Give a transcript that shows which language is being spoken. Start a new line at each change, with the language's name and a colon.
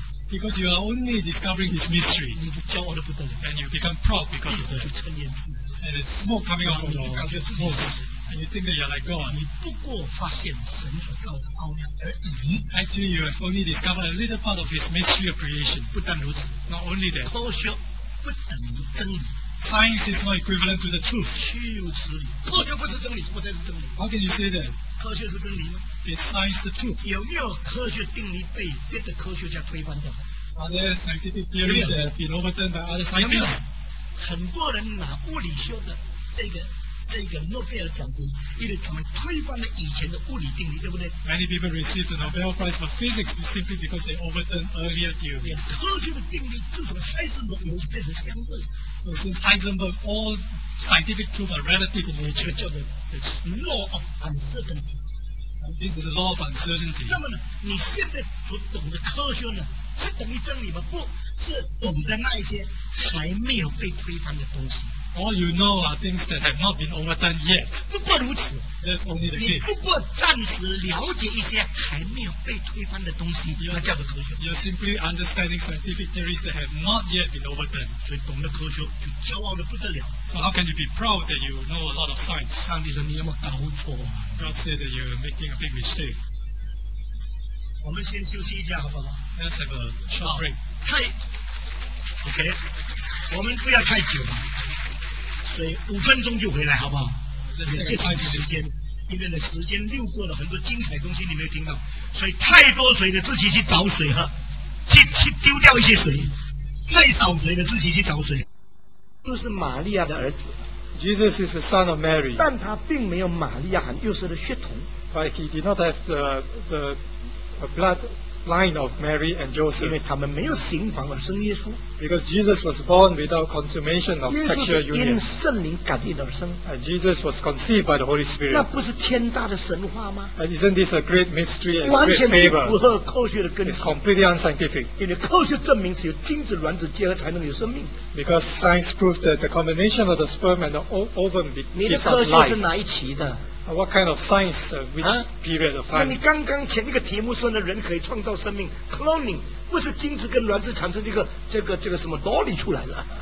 English: Because you are only discovering his mystery. And you become proud because of that. And there's smoke coming out of your nose. You think that you're like God.
Chinese: 你不过发现神所造的奥妙而已。
English: Actually, you have only discovered a little part of His mystery of creation.
Chinese: 不但如此
English: ，Not only that.
Chinese: 科学不等于真理。
English: Science is not equivalent to the truth.
Chinese: 虚有之理，科学不是真理，不再是真理。
English: How can you say that?
Chinese: 科学是真理吗
English: ？Is science the truth?
Chinese: 有没有科学定律被别的科学家推翻掉
English: ？Are there scientific theories that have been overturned by other scientists?
Chinese: 很多人拿物理学的这个诺贝尔奖金，因为他们推翻了以前的物理定律，对不对
English: ？Many people received the Nobel Prize for Physics simply because they overturned earlier theories.
Chinese: Yes, 科学的定律自从海森堡以后变成相对。
English: So since Heisenberg, all scientific truths are relative in nature.
Chinese: 叫做
English: the law of uncertainty. And this is the law of uncertainty.
Chinese: 那么呢，你现在所懂的科学呢，是等于真理吗？不是，懂的那一些还没有被推翻的东西。
English: All you know are things that have not been overdone yet.
Chinese: 不过如此
English: That's only the case.
Chinese: 你不过暂时了解一些还没有被推翻的东西，那叫做科学。 You're simply understanding scientific theories that have not yet been overdone. 所以懂得科学就骄傲得不得了。
English: So how can you be proud that you know a lot of science?
Chinese: 上帝说你有没有搞错啊
English: ？God said that you're making a big mistake.
Chinese: 我们先休息一下好不好
English: ？Let's have a short break.
Chinese: 太 OK， 我们不要太久嘛。对，五分钟就回来，好不好？也节省时间，因为呢，时间溜过了很多精彩东西，你没有听到。所以太多水的自己去找水喝，去丢掉一些水；太少水的自己去找水。就是玛利亚的儿子
English: ，Jesus is the son of Mary，
Chinese: 但他并没有玛利亚和约瑟的血统
English: ，But he did not have the blood。 Line of Mary and Joseph，
Chinese: 因为他们没有行房而生耶稣。
English: Because Jesus was born without consummation of sexual union。
Chinese: 耶稣是因圣灵感应而生。
English: And Jesus was conceived by the Holy Spirit。
Chinese: 那不是天大的神话吗
English: ？And isn't this a great mystery and great favor？
Chinese: 完全不符合科学的根据。
English: It's completely unscientific。
Chinese: 因为科学证明只有精子卵子结合才能有生命。
English: Because science proved that the combination of the sperm and the ovum gives us life。
Chinese: 你的科学是哪一期的？
English: What kind of science? Which period of time?
Chinese: 那你刚刚前一个题目说呢，人可以创造生命 ，cloning， 不是精子跟卵子产生这个什么道理出来了